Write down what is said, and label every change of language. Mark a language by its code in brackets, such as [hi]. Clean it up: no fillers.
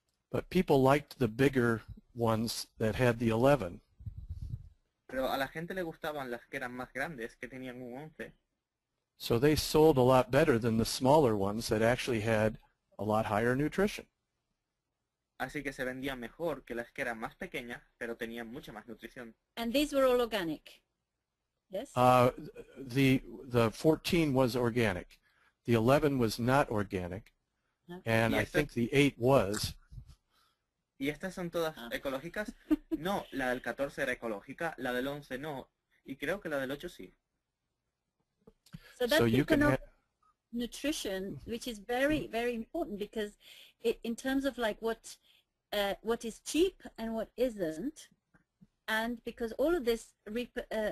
[en] But people liked the bigger ones that had the 11. [es] Pero a la gente le gustaban las que eran más grandes, que tenían un 11. [en] So they sold a lot better than the smaller ones that actually had a lot higher nutrition. [es] Así que se vendían mejor que las que eran más pequeñas, pero tenían mucha más nutrición. [en] And these were all organic, yes? The 14 was organic. The 11 was not organic. Okay. And I think the 8 was. [es] ¿Y estas son todas ecológicas? No, la del 14 era ecológica, la del 11 no, y creo que la del 8 sí. [en] So that's so nutrition, which is very, very important, because it, in terms of like what is cheap and what isn't, and because all of this [es] repercute